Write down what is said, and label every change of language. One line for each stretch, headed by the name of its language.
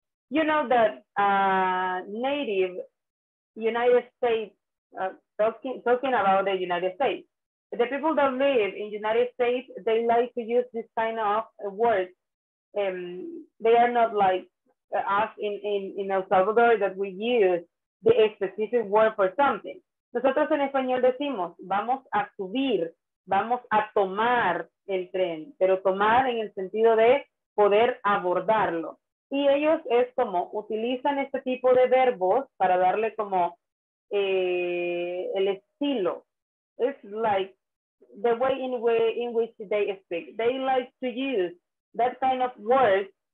English: You know that native United States, talking about the United States, the people that live in United States, they like to use this kind of words. They are not like us in El Salvador that we use the specific word for something.
Spanish: Nosotros en español decimos, vamos a subir, vamos a tomar el tren, pero tomar en el sentido de poder abordarlo. Y ellos es como utilizan este tipo de verbos para darle como el estilo.
English: It's like the way in which they speak. They like to use that kind of words.